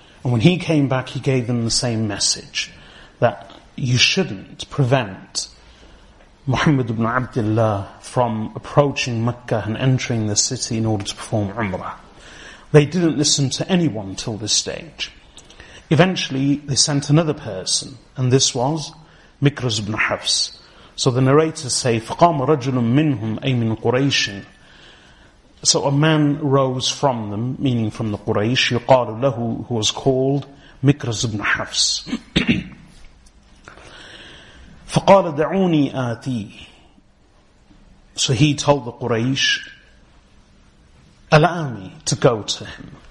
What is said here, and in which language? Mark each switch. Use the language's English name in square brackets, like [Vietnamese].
[English] And when he came back, he gave them the same message, that you shouldn't prevent Muhammad ibn Abdullah from approaching Mecca and entering the city in order to perform Umrah. They didn't listen to anyone till this stage. Eventually, they sent another person, and this was Mikras ibn Hafs. So the narrators say, [Arabic] فَقَامَ رَجُلٌ مِّنْهُمْ أَيْ مِنْ قُرَيْشٍ. [English] So a man rose from them, meaning from the Quraysh, [Arabic] يُقَالُ لَهُ, [English] who was called Mikras ibn Hafs. [Arabic] فَقَالَ دَعُونِي آتِي. [English] So he told the Quraysh, allow me to go to him.